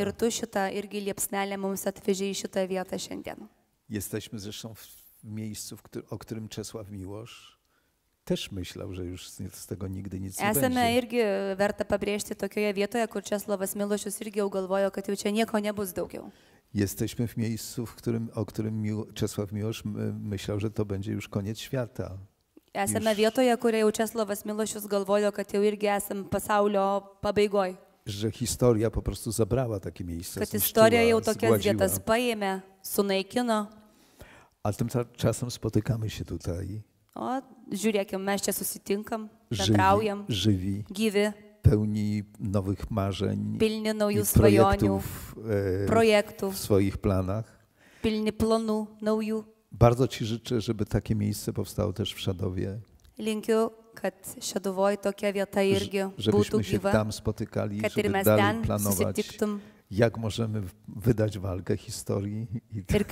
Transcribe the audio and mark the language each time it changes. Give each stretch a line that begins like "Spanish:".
Lithuanian: Ir tu šita irgi liepsnelė mums atvežė į šitą vietą šiandien.
Polish: Jesteśmy zresztą w miejscu, o którym Czesław Miłosz też myślał, że już z tego nigdy nic nie
Lithuanian: esame
Polish: będzie.
Lithuanian: Irgi verta pabrėžti tokioje vietoje, kur Česlovas Milošius irgi jau galvojo, kad jau čia nieko nebus daugiau.
Polish: Jesteśmy w miejscu, o którym Czesław Miłosz myślał, że to będzie już koniec świata.
Lithuanian: Esame już vietoje, kur jau Česlovas Milošius galvojo, kad jau irgi esam pasaulio pabaigoj.
Polish: Że historia po prostu zabrała takie miejsce.
Lithuanian: Kad istorija jau tokias vietas paėmė, sunaikino.
Polish: A tymczasem spotykamy się tutaj.
Lithuanian: O, žiūrėkim, mes čia susitinkam, bendraujam,
Polish: živi,
Lithuanian: gyvi,
Polish: pełni nowych marzeń,
Lithuanian: pilni naujų svajonių, projektų,
Polish: swoich planach,
Lithuanian: pilni planų naujų.
Polish: Bardzo ci życzę, żeby takie miejsce powstało też w Šaduvoje.
Lithuanian: Linkiu, kad Šeduvoj tokia vieta irgi būtų gyva, kad ir mes ten susitiktum,
Polish: jak możemy wydać walkę historii i